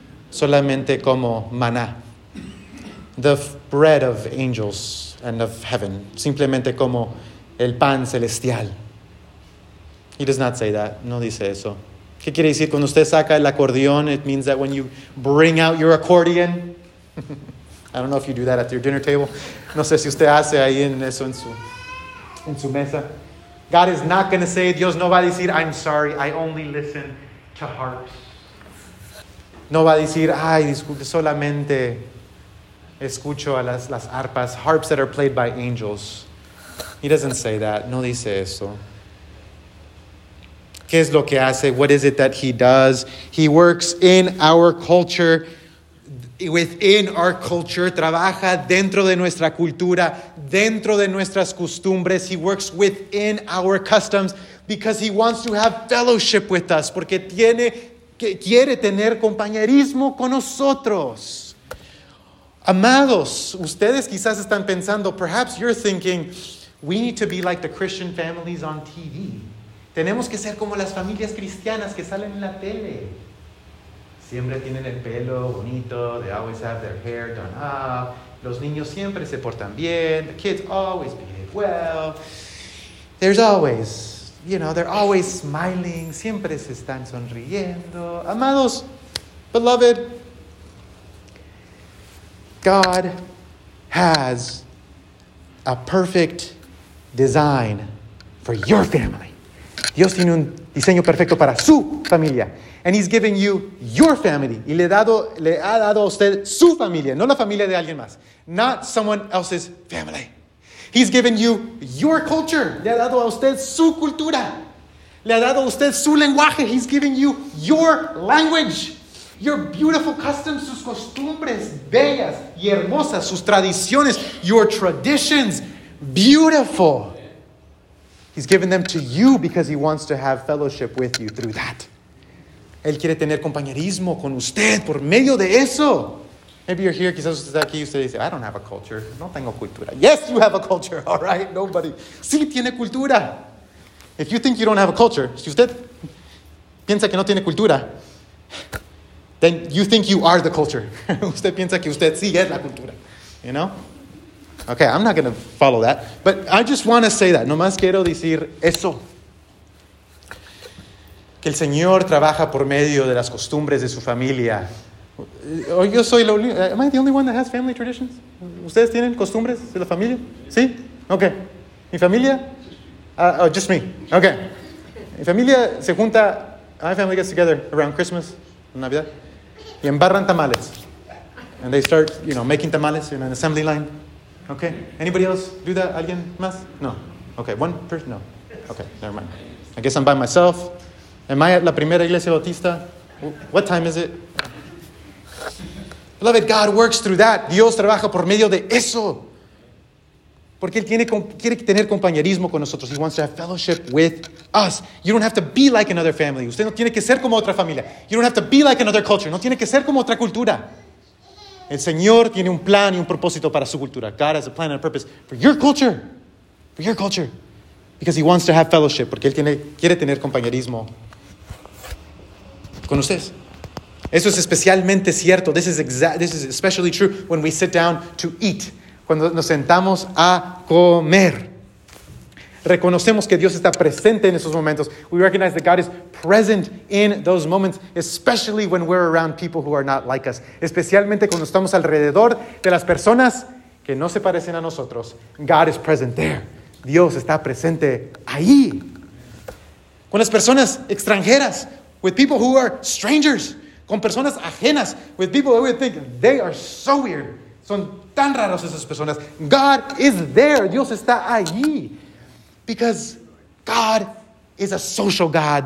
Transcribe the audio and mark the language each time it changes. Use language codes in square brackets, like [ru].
[es] Solamente como maná. [en] The bread of angels and of heaven. [es] Simplemente como el pan celestial. [en] He does not say that. [es] No dice eso. ¿Qué quiere decir? Cuando usted saca el acordeón, [en] it means that when you bring out your accordion. I don't know if you do that at your dinner table. [es] No sé si usted hace ahí en eso en su mesa. [en] God is not going to say, [es] Dios no va a decir, [en] I'm sorry, I only listen to hearts. [es] No va a decir, ay, disculpe, solamente escucho a las arpas, [en] harps that are played by angels. He doesn't say that. [es] No dice eso. ¿Qué es lo que hace? [en] What is it that he does? He works in our culture, within our culture. [es] Trabaja dentro de nuestra cultura, dentro de nuestras costumbres. [en] He works within our customs because he wants to have fellowship with us. [es] Porque quiere tener compañerismo con nosotros. Amados, ustedes quizás están pensando, [en] perhaps you're thinking, we need to be like the Christian families on TV. [es] Tenemos que ser como las familias cristianas que salen en la tele. Siempre tienen el pelo bonito, [en] they always have their hair done up. [es] Los niños siempre se portan bien, [en] the kids always behave well. There's always, you know, they're always smiling, [es] siempre se están sonriendo. [en] Amados, beloved, God has a perfect design for your family. [es] Dios tiene un diseño perfecto para su familia. [en] And he's giving you your family. [es] Y le ha dado a usted su familia, no la familia de alguien más. [en] Not someone else's family. He's given you your culture. [es] Le ha dado a usted su cultura. Le ha dado a usted su lenguaje. [en] He's giving you your language. Your beautiful customs, [es] sus costumbres bellas y hermosas, sus tradiciones, [en] your traditions, beautiful. He's given them to you because he wants to have fellowship with you through that. [es] Él quiere tener compañerismo con usted por medio de eso. [en] Maybe you're here, [es] quizás usted está aquí y usted dice, [en] I don't have a culture, [es] no tengo cultura. [en] Yes, you have a culture, all right, nobody. [es] Sí, tiene cultura. [en] If you think you don't have a culture, [es] si usted piensa que no tiene cultura, [en] then you think you are the culture. [es] Usted piensa que usted sí es la cultura. [en] You know? Okay, I'm not going to follow that. But I just want to say that. [es] Nomás quiero decir eso. Que el Señor trabaja por medio de las costumbres de su familia. Yo soy lo único. [en] Am I the only one that has family traditions? [es] ¿Ustedes tienen costumbres de la familia? ¿Sí? Okay. ¿Mi familia? [en] Just me. [es] Okay. ¿Mi familia se junta? [en] My family gets together around Christmas. Navidad. [es] Y embarran tamales. [en] And they start, you know, making tamales in an assembly line. Okay. Anybody else do that? [es] ¿Alguien más? [en] No. Okay. One person? No. Okay. Never mind. I guess I'm by myself. Am I at la primera iglesia bautista? What time is it? Beloved, God works through that. [es] Dios trabaja por medio de eso. Porque Él quiere tener compañerismo con nosotros. [en] He wants to have fellowship with us. You don't have to be like another family. [es] Usted no tiene que ser como otra familia. [en] You don't have to be like another culture. [es] No tiene que ser como otra cultura. El Señor tiene un plan y un propósito para su cultura. [en] God has a plan and a purpose for your culture. For your culture. Because He wants to have fellowship. [es] Porque Él quiere tener compañerismo con ustedes. Eso es especialmente cierto. [en] This is especially true when we sit down to eat. [es] Cuando nos sentamos a comer. Reconocemos que Dios está presente en esos momentos. [en] We recognize that God is present in those moments, especially when we're around people who are not like us. [es] Especialmente cuando estamos alrededor de las personas que no se parecen a nosotros. [en] God is present there. [es] Dios está presente ahí. Con las personas extranjeras, [en] with people who are strangers, [es] con personas ajenas, [en] with people who we think they are so weird. [es] Son tan raros esas personas. [en] God is there. [es] Dios está allí. [en] Because God is a social God.